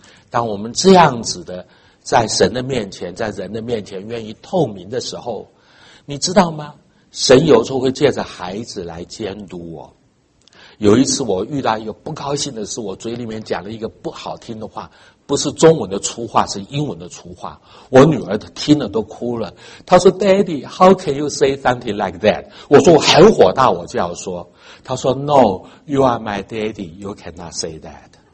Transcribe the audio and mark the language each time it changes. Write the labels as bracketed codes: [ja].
[zh] 当我们这样子的在神的面前，在人的面前愿意透明的时候，你知道吗？神有时候会借着孩子来监督我。有一次我遇到一个不高兴的事，我嘴里面讲了一个不好听的话，不是中文的粗话，是英文的粗话，我女儿听了都哭了。她说 [en] Daddy, how can you say something like that? [zh] 我说我很火大，我就要说。她说 [en] No, you are my daddy, you cannot say that。